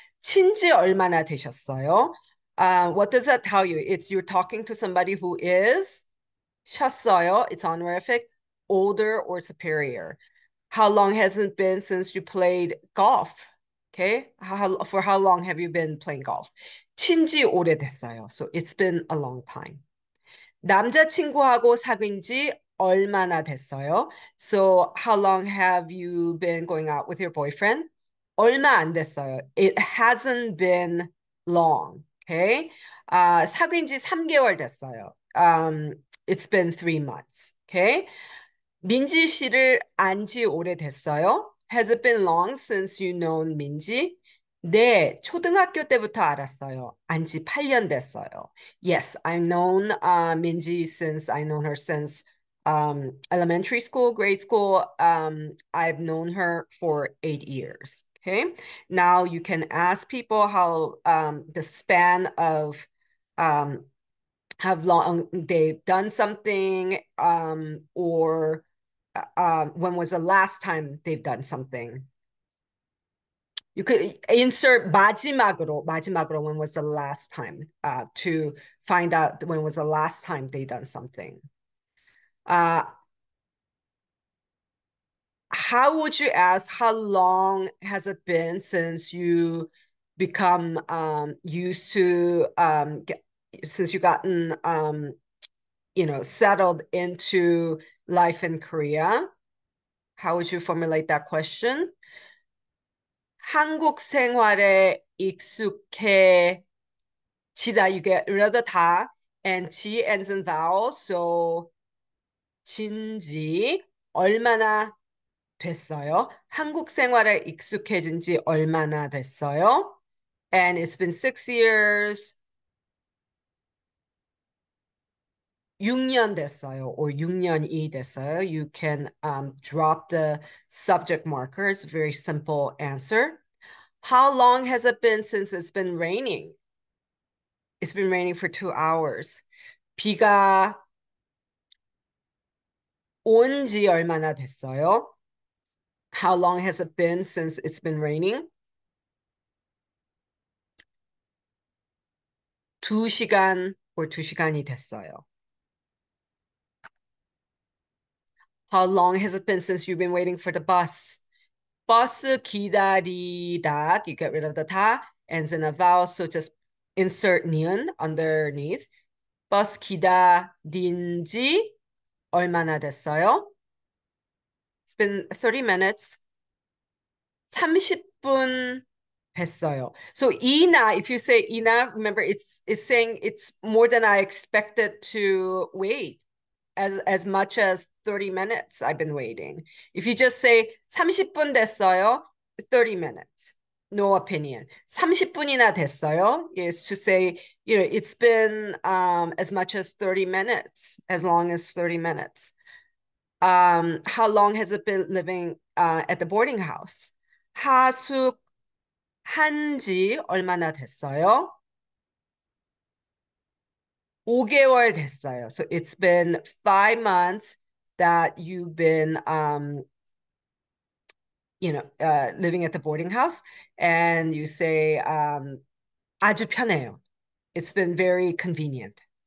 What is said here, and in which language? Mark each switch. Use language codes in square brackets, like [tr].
[ko] 친 지 얼마나 되셨어요? [en] What does that tell you? It's you're talking to somebody who is 셨어요. It's honorific. Older or superior. How long has it been since you played golf? Okay. For how long have you been playing golf? [ko] 친 지 오래됐어요. [en] So it's been a long time. [ko] 남자친구하고 사귄 지 얼마나 됐어요? [en] So how long have you been going out with your boyfriend? [ko] 얼마 안 됐어요. [en] It hasn't been long. Okay. [ko] 사귄 지 3개월 됐어요. [en] It's been 3 months. Okay. [ko] 민지 씨를 안 지 오래됐어요? [en] Has it been long since you known 민지? [ko] 네, 초등학교 때부터 알았어요. 안 지 8년 됐어요. [en] Yes, I've known 민지 since, I've known her since elementary school, grade school. I've known her for 8 years, okay? Now you can ask people how the span of how long they've done something or when was the last time they've done something? You could insert 마지막으로, when was the last time, to find out when was the last time they done something. How would you ask how long has it been since you become used to get, since you gotten settled into life in Korea? How would you formulate that question? [ko] 한국 생활에 익숙해지다. [en] You get rid of the 다 and 지 ends in vowel. [ko] So 진지 얼마나 됐어요? 한국 생활에 익숙해진 지 얼마나 됐어요? [en] And it's been 6 years. [ko] 6년 됐어요, or 6년이 됐어요. [en] You can drop the subject marker. It's a very simple answer. How long has it been since it's been raining? It's been raining for 2 hours. [ko] 비가 온지 얼마나 됐어요? [en] How long has it been since it's been raining? [ko] 2시간 or 2시간이 됐어요. [en] How long has it been since you've been waiting for the bus? [ko] 버스 기다리다, [en] you get rid of the 다, ends in a vowel, so just insert 니은 underneath. [ko] 버스 기다린 지 얼마나 됐어요? [en] It's been 30 minutes. [ko] 30분 했어요. [en] So 이나, if you say 이나, remember it's saying it's more than I expected to wait, as much as 30 minutes I've been waiting. If you just say [ko] 30분 됐어요, [en] 30 minutes, no opinion. [ko] 30분이나 됐어요 [en] is to say, it's been as much as 30 minutes, as long as 30 minutes. How long has it been living at the boarding house? [ko] 하숙 한지 얼마나 됐어요? 5개월 됐어요. [en] So it's been 5 months that you've been, living at the boarding house, and you say, [ko] 아주 편해요. [en] It's been very convenient.